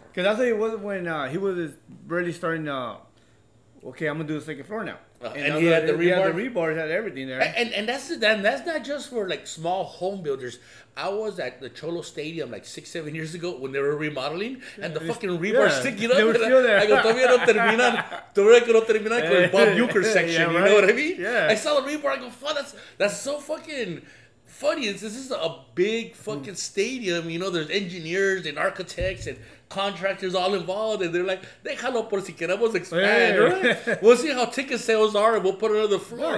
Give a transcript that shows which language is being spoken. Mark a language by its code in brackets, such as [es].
[en] Because I think it was when he was really starting to... Okay, I'm going to do the second floor now. And he had the rebar. He had the rebar. He had everything there. And that's not just for like small home builders. I was at the Cholo Stadium like 6-7 years ago when they were remodeling. And the fucking rebar sticking up. They were still there. [es] I go, todavía no terminan. Todavía que no terminan con el Bob Uecker section. [en] Yeah, right? You know what I mean? Yeah. I saw the rebar. I go, fuck, that's so fucking funny. This is a big fucking stadium. You know, there's engineers and architects and... contractors all involved, and they're like, [es] déjalo por si queremos [en] expand. Yeah, right? We'll see how ticket sales are, and we'll put another floor.